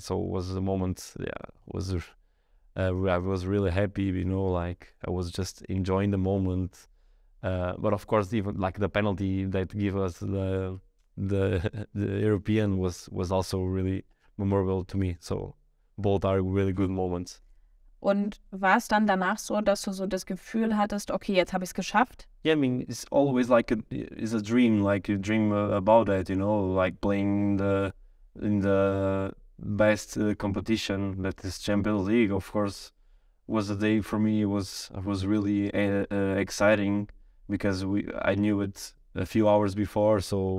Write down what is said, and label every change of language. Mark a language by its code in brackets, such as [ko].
[en] So it was a moment. I was really happy. You know, like I was just enjoying the moment. But of course, even like the penalty that gave us the European was also really memorable to me. So both are really good moments. [de] Und war es dann danach so, dass du so das Gefühl hattest, okay, jetzt habe ich es geschafft? [en] Yeah, I mean, it's always like it's a dream, like you dream about it, you know, like playing in the best competition, that is Champions League. Of course, was a day for me. It was really exciting because I knew it a few hours before, so